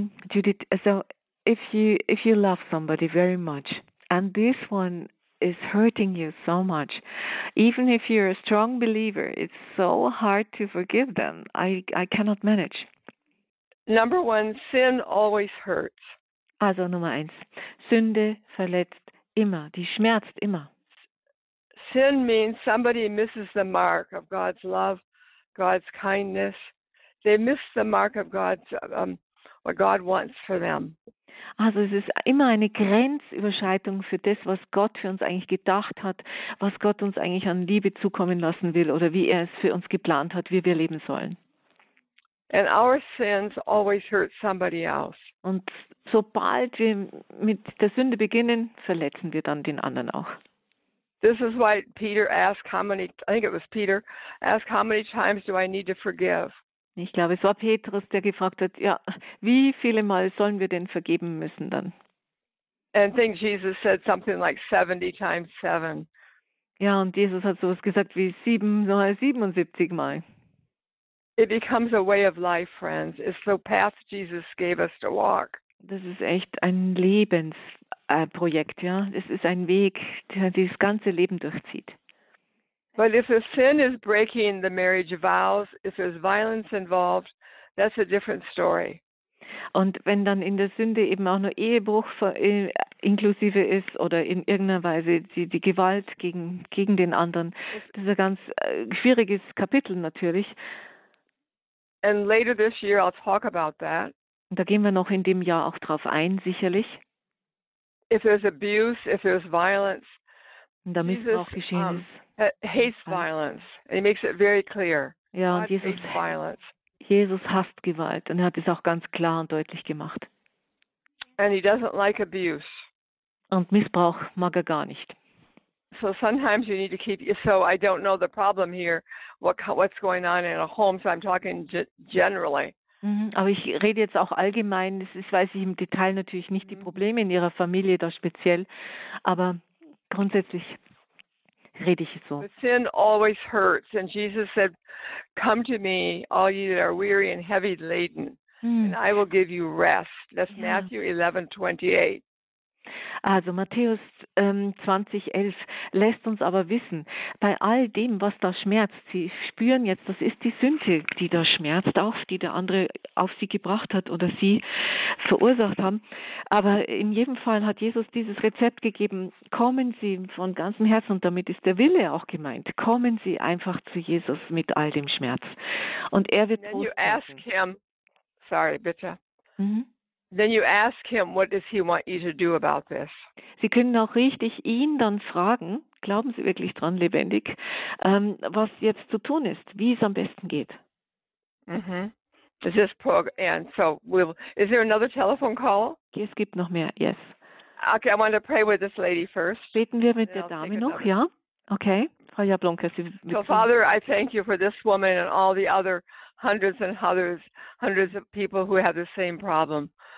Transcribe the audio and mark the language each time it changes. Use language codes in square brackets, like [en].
[en] Judith, also, If you love somebody very much and this one is hurting you so much, even if you're a strong believer, it's so hard to forgive them. I cannot manage. Number one, sin always hurts. [de] Also Nummer eins, Sünde verletzt immer, die schmerzt immer. [en] Sin means somebody misses the mark of God's love, God's kindness. They miss the mark of God's what God wants for them. [de] Also es ist immer eine Grenzüberschreitung für das, was Gott für uns eigentlich gedacht hat, was Gott uns eigentlich an Liebe zukommen lassen will oder wie er es für uns geplant hat, wie wir leben sollen. [en] And our sins always hurt somebody else. [de] Und sobald wir mit der Sünde beginnen, verletzen wir dann den anderen auch. [en] This is why Peter asked how many, I think it was Peter, asked how many times do I need to forgive? [de] Ich glaube, es war Petrus, der gefragt hat, ja, wie viele Mal sollen wir denn vergeben müssen dann? [en] And think Jesus said something like 70 times 7. [de] Ja, und Jesus hat sowas gesagt wie 77 Mal. [en] It becomes a way of life, friends. It's the path Jesus gave us to walk. [de] Das ist echt ein Lebensprojekt, ja. Es ist ein Weg, der dieses ganze Leben durchzieht. [en] But if a sin is breaking the marriage vows, if there's violence involved, that's a different story. [de] Und wenn dann in der Sünde eben auch nur Ehebruch inklusive ist oder in irgendeiner Weise die Gewalt gegen den anderen, das ist ein ganz schwieriges Kapitel natürlich. [en] And later this year I'll talk about that. [de] Und da gehen wir noch in dem Jahr auch drauf ein, sicherlich. [en] If there's abuse, if there's violence, [de] und damit Jesus, auch geschehen ist. [en] Hates violence. And he makes it very clear. [de] Ja, und Jesus [en] hates violence. [de] Jesus hasst Gewalt und er hat es auch ganz klar und deutlich gemacht. [en] And he doesn't like abuse. [de] Und Missbrauch mag er gar nicht. [en] So sometimes you need to keep. So I don't know the problem here. What's going on in a home? So I'm talking generally. [de] Aber ich rede jetzt auch allgemein. Das ist, weiß ich im Detail natürlich nicht die Probleme in Ihrer Familie da speziell, aber grundsätzlich. Rede ich so. [en] Sin always hurts, and Jesus said, "Come to me, all ye that are weary and heavy laden, and I will give you rest." That's Matthew 11:28. [de] Also Matthäus 20:11 lässt uns aber wissen, bei all dem, was da schmerzt, sie spüren jetzt, das ist die Sünde, die da schmerzt, auf die der andere auf sie gebracht hat oder sie verursacht haben. Aber in jedem Fall hat Jesus dieses Rezept gegeben, kommen Sie von ganzem Herzen, und damit ist der Wille auch gemeint, kommen Sie einfach zu Jesus mit all dem Schmerz. Und er wird Trost geben. Sorry, bitte. [en] Then you ask him, what does he want you to do about this? [de] Sie können auch richtig ihn dann fragen, glauben Sie wirklich dran, lebendig, was jetzt zu tun ist, wie es am besten geht. [en] Is this program? And so, is there another telephone call? [de] Es gibt noch mehr, yes. [en] Okay, I want to pray with this lady first. [de] Beten wir mit der Dame noch, ja? Okay, Frau Jablonka, Sie [en] So, Father, I thank you for this woman and all the other hundreds of people who have the same problem.